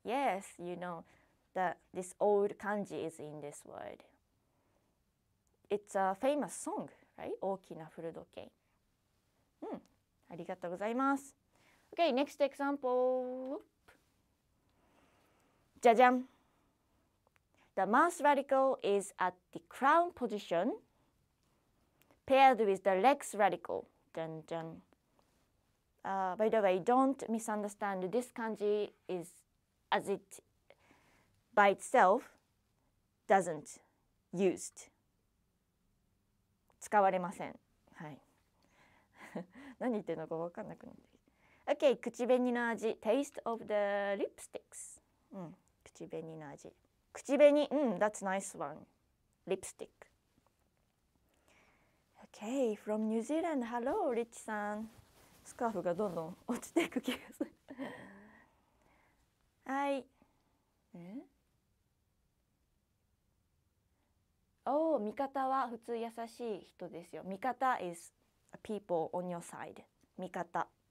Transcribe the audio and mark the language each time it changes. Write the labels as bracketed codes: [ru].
[en] Yes, you know that this old kanji is in this word. It's a famous song, right? 大きな古時計。 [ja] うん、ありがとうございます。 [en] Okay, next example. [ja] じゃじゃん。 [en] The mouse radical is at the crown position, paired with the lex radical. [ja] じゃんじゃん。 [en] By the way, don't misunderstand this kanji is as it by itself doesn't used. [ja] 使われません。はい。何言ってるのか分かんなくなって。 Okay, 口紅の味。 [en] Taste of the lipsticks.、 [ja] うん、口紅の味。 [en] 口紅、うん、that's a nice one. Lipstick. OK. Okay, from New Zealand. Hello, Rich-san. [ja] スカーフがどんどん落ちていく気がする。はい。え？おー、味方は普通優しい人ですよ。 [en] 味方 is people on your side. 味方。